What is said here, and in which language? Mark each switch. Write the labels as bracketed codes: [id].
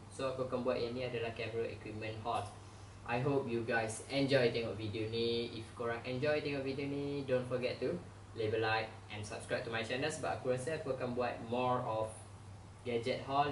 [ms] So aku akan buat yang ni adalah [en] camera equipment haul. I hope you guys enjoy [ms] tengok video ni. [en] If [ms] korang [en] enjoy tengok video ni, don't forget to leave a like and subscribe to my channel. [ms] Sebab aku rasa aku akan buat [en] more of gadget haul.